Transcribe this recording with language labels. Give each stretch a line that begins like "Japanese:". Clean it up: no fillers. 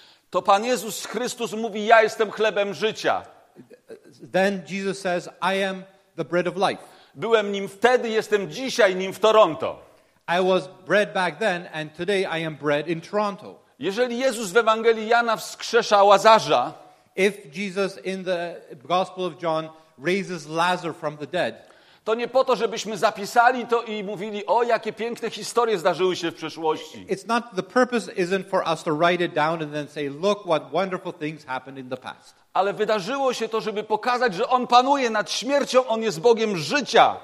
Polish: to Pan Jezus Chrystus mówi, ja jestem chlebem życia.
English: Then Jesus says, I am the bread of life.
Polish: Byłem nim wtedy, jestem dzisiaj nim w Toronto.
English: I was bread back then and today I am bread in Toronto.
Polish: Jeżeli Jezus w Ewangelii Jana wskrzesza Łazarza,
English: if Jesus in the Gospel of John raises Lazarus from the dead,
Polish: to nie po to, żebyśmy zapisali to i mówili, o, jakie piękne historie zdarzyły się w przeszłości.
English: It's not, the purpose isn't for us to write it down and then say, look what wonderful things happened in the past.
Polish: Ale wydarzyło się to, żeby pokazać, że On panuje nad śmiercią, On jest Bogiem życia.